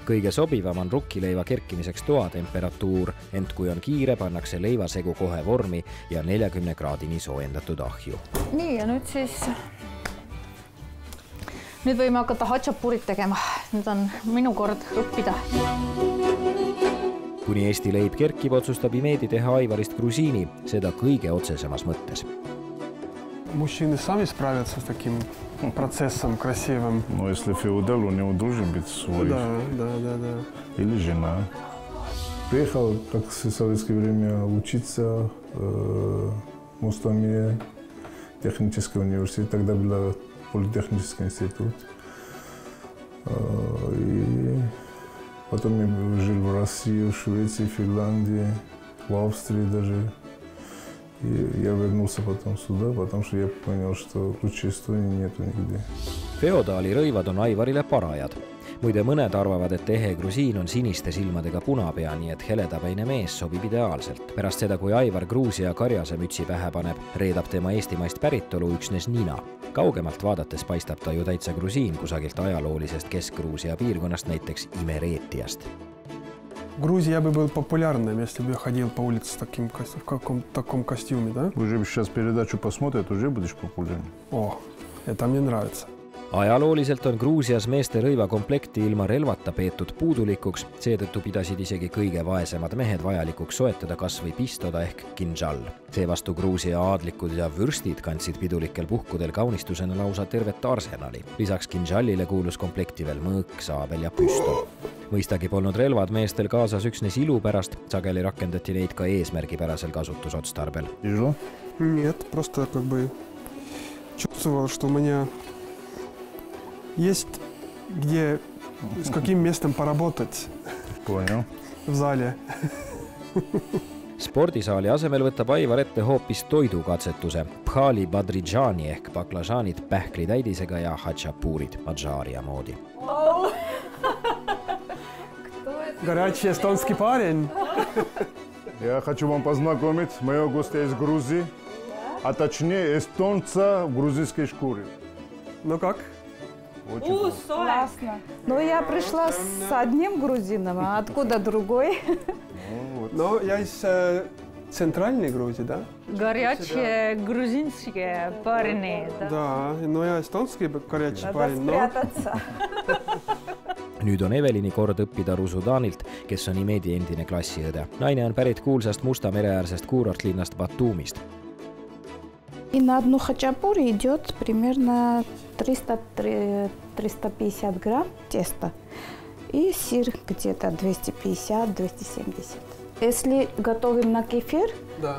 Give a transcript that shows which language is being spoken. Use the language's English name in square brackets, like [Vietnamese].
[Estonian] Kõige sobivam on rukkileiva kerkimiseks toatemperatuur, ent kui on kiire, pannakse leiva segu kohe vormi ja 40 kraadini soojendatud ahju. Nii, ja nüüd siis... Nüüd võime hakata hachapurit tegema. Nüüd on minu kord õppida. Kuni Eesti leib kerkib, otsustab Imedi teha Aivarist grusiini, seda kõige otsesemas mõttes. [Russian] Мужчины сами справятся с таким процессом красивым. Ну, если феодал, у него должен быть свой. Да, да, да, да. Или жена. Приехал, как в советское время, учиться в Мустамие, технический университет. Тогда был политехнический институт. И потом я жил в России, в Швеции, в Финляндии, в Австрии даже. И я вернулся потом сюда, потому что я понял, что лучше Эстонии нету нигде. [Estonian] Феодаали rõivad on Aivarile parajad. Muide mõned arvavad, et ehe grusiin on siniste silmadega punapea, nii et heledapäine mees sobib ideaalselt. Pärast seda, kui Aivar Gruusia karjase mütsi pähe paneb, reedab tema eestimaist päritolu üksnes nina. Kaugemalt vaadates paistab ta ju täitsa grusiin kusagilt ajaloolisest Kesk-Gruusia piirkonnast, näiteks Imereetiast. [Russian] Грузии я бы был популярным, если бы я ходил по улице в таким в таком костюме, да? Уже бы сейчас передачу посмотрят, уже будешь популярен. О, это мне нравится. [Estonian] Ajalooliselt on Gruusias meeste rõivakomplekti ilma relvata peetud puudulikuks, seetõttu pidasid isegi kõige vaesemad mehed vajalikuks soetada kas või pistoda ehk kinjal. See vastu Gruusia aadlikud ja vürstid kantsid pidulikel puhkudel kaunistusena lausa tervet arsenali. Lisaks kinjalile kuulus komplekti veel mõõk, saabel ja püsto. Mõistagi polnud relvad meestel kaasas üksnes ilu pärast, sageli rakendati neid ka eesmärgipärasel kasutusotstarbel. Ilu? [Russian] Niet, prosto kakbõi čutsuval, što mõnja... Есть где с каким местом поработать. Понял. В зале. [Estonian] Спортзаали asemel võtab Aivar ette hoopis toidukatsetuse. Pkhali badridžani ehk baklažaanid pähkli täidisega ja hachapurid madžaaria moodi. [Russian] Горячий эстонский парень. Я хочу вам познакомить моего гостя из Грузии, а точнее эстонца в грузинской шкуре. Ну как? Классно. Ну, я пришла с одним грузином, а откуда другой? Ну, я из центральной Грузии, да? Горячие грузинские парни, да? Да, но я эстонский горячий парень. Надо спрятаться. [Estonian] Nüüd on Evelini kord õppida Rusudaanilt, kes on Imedi endine klassiõde. Naine on pärit kuulsast musta mereäärsest kuurortlinnast Batumist. [Russian] И на одну хачапури идет примерно 300-350 грамм теста и сыр где-то 250-270. Если готовим на кефир, да.